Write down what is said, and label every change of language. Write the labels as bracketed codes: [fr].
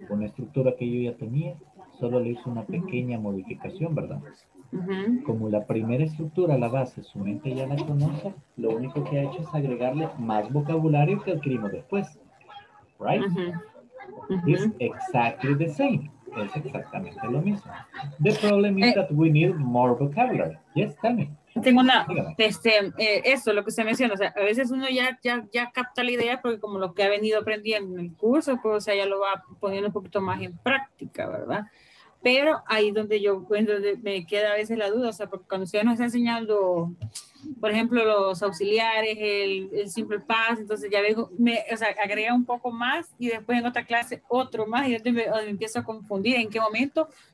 [es] Una estructura que yo ya tenía, solo le hizo una pequeña, uh-huh, modificación, ¿verdad? Como la primera estructura, la base, su mente ya la conoce, lo único que ha hecho es agregarle más vocabulario que adquirimos después. [en] Right? Uh-huh. It's exactly the same. [es] es exactamente lo mismo. [en] The problem is that we need more vocabulary. Yes, Tammy. [es] Tengo una, eso, lo que se menciona, o sea, a veces uno ya capta la idea porque como lo que ha venido aprendiendo en el curso, pues, o sea, ya lo va poniendo un poquito más en práctica, ¿verdad? Pero ahí donde yo, donde me queda a veces la duda, o sea, porque cuando usted nos está enseñando, por ejemplo, los auxiliares, el simple past, entonces ya digo, o sea, agrega un poco más y después en otra clase otro más y yo me empiezo a confundir en qué momento.